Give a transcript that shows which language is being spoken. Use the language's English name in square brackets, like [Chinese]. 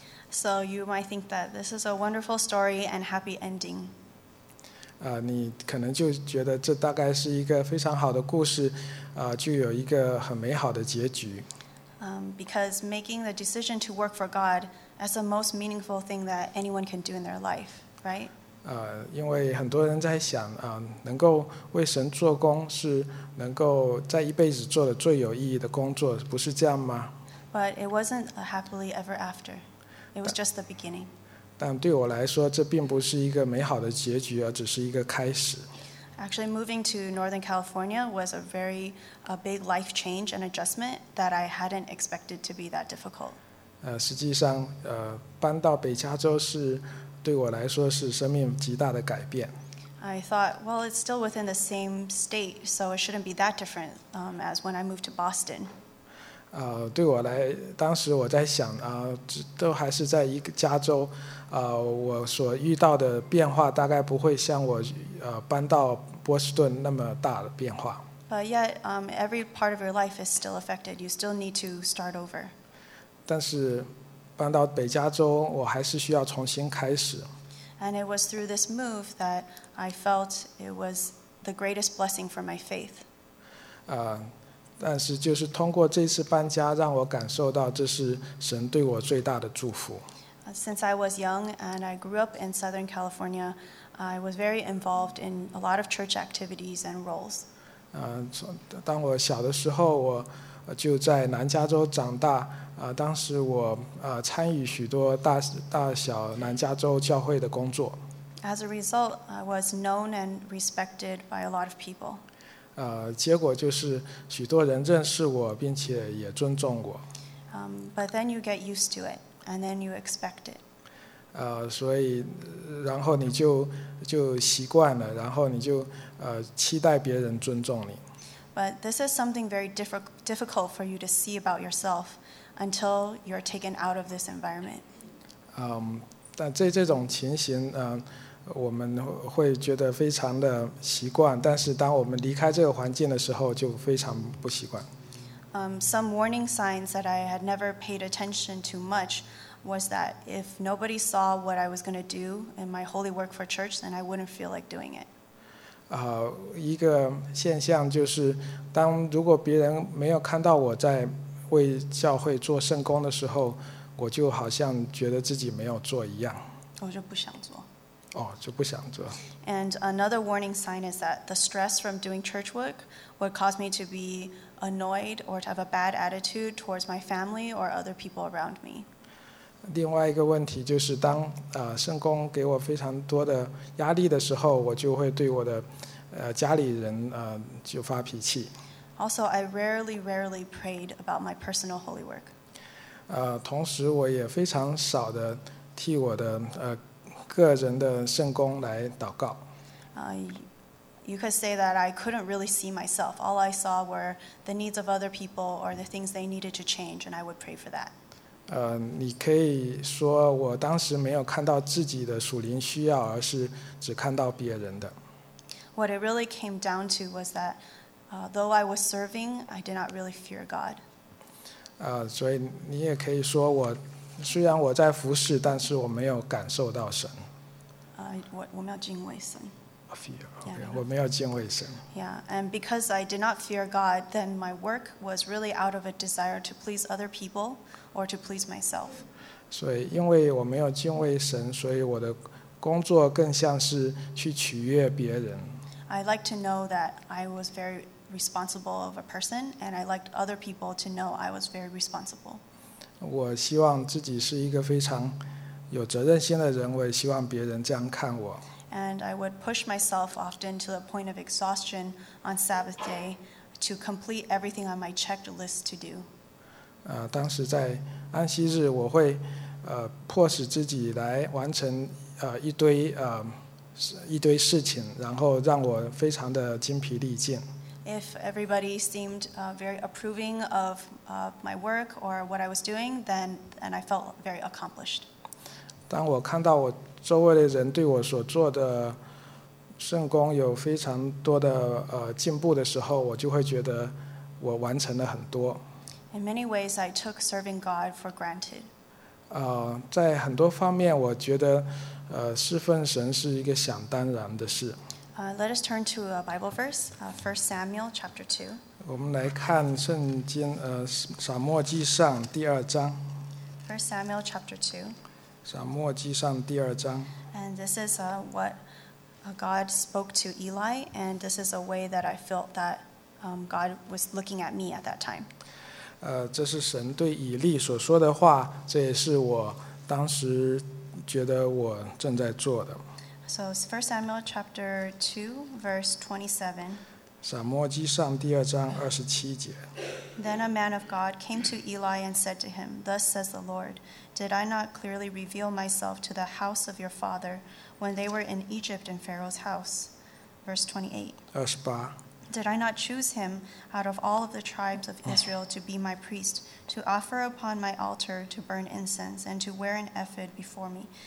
[English] So you might think that this is a wonderful story and happy ending. [Chinese] 你可能就觉得这大概是一个非常好的故事，就有一个很美好的结局。 [English] Because making the decision to work for God is the most meaningful thing that anyone can do in their life, right? [Chinese] 因为很多人在想，能够为神做工是能够在一辈子做的最有意义的工作，不是这样吗？ [English] But it wasn't a happily ever after. It was just the beginning. [Chinese] 但对我来说，这并不是一个美好的结局，而只是一个开始。 [English] Actually, moving to Northern California was a very a big life change and adjustment that I hadn't expected to be that difficult. [Chinese] 实际上，搬到北加州是对我来说是生命极大的改变。 [English] I thought, well, it's still within the same state, so it shouldn't be that different as when I moved to Boston. [Chinese] 对我来，当时我在想，都还是在一个加州。我所遇到的变化大概不会像我搬到波士顿那么大的变化。 [English] But yet, every part of your life is still affected. You still need to start over. [Chinese] 但是搬到北加州，我还是需要重新开始。 [English] And it was through this move that I felt it was the greatest blessing for my faith. [Chinese] 但是就是通过这次搬家，让我感受到这是神对我最大的祝福。 [English] Since I was young and I grew up in Southern California, I was very involved in a lot of church activities and roles. [Chinese] 当我小的时候，我就在南加州长大。当时我参与许多大小南加州教会的工作。 [English] As a result, I was known and respected by a lot of people. [Chinese] 结果就是许多人认识我，并且也尊重我。 [English] But then you get used to it. And then you expect it. [Chinese] 所以然后你就习惯了，然后你就期待别人尊重你。 [English] But this is something very difficult for you to see about yourself until you're taken out of this environment. [Chinese] 但这种情形，我们会觉得非常的习惯，但是当我们离开这个环境的时候，就非常不习惯。 [English] Some warning signs that I had never paid attention to much was that if nobody saw what I was going to do in my holy work for church, then I wouldn't feel like doing it. [Chinese] 一个现象就是，当如果别人没有看到我在为教会做圣工的时候，我就好像觉得自己没有做一样。我就不想做。就不想做。 [English] And another warning sign is that the stress from doing church work would cause me to be annoyed or to have a bad attitude towards my family or other people around me. [Chinese] 另外一个问题就是当圣工给我非常多的压力的时候，我就会对我的家里人就发脾气。 [English] Also, I rarely prayed about my personal holy work. [Chinese] 同时我也非常少的替我的个人的圣工来祷告。 [English] you could say that I couldn't really see myself. All I saw were the needs of other people or the things they needed to change, and I would pray for that. [Chinese] 你可以说我当时没有看到自己的属灵需要，而是只看到别人的。 [English] What it really came down to was that, though I was serving, I did not really fear God. [Chinese] 所以你也可以说我虽然我在服侍，但是我没有感受到神。我没有敬畏神。我没有敬畏神。 [English] Yeah, and because I did not fear God, then my work was really out of a desire to please other people or to please myself. [Chinese] 所以因为我没有敬畏神，所以我的工作更像是去取悦别人。 [English] I like to know that I was very responsible of a person, and I liked other people to know I was very responsible. [Chinese] 我希望自己是一个非常有责任心的人，我也希望别人这样看我。 [English] And I would push myself often to the point of exhaustion on Sabbath day to complete everything on my checked list to do. [Chinese] 当时在安息日，我会迫使自己来完成一堆事情，然后让我非常的精疲力尽。 [English] If everybody seemed very approving of my work or what I was doing, then and I felt very accomplished. [Chinese] 当我看到我周围的人对我所做的圣工有非常多的进步的时候，我就会觉得我完成了很多。 [English] In many ways, I took serving God for granted. [Chinese] 在很多方面，我觉得侍奉神是一个想当然的事。 [English] Let us turn to a Bible verse, 1 Samuel chapter 2. [Chinese] 我们来看圣经撒母耳记上第二章。 [English] 1 Samuel chapter 2. [Chinese] 撒母耳记上第二章。 [English] And this is what God spoke to Eli, and this is a way that I felt that God was looking at me at that time. [Chinese] 这是神对以利所说的话，这也是我当时觉得我正在做的。 [English] So 1 Samuel chapter 2, verse 27. [Chinese] 撒母耳记上第二章二十七节。 [English] Then a man of God came to Eli and said to him, "Thus says the Lord. Did I not clearly reveal myself to the house of your father when they were in Egypt in Pharaoh's house? Verse 28. Did I not choose him out of all of the tribes of Israel to be my priest, to offer upon my altar to burn incense and to wear an ephod before me?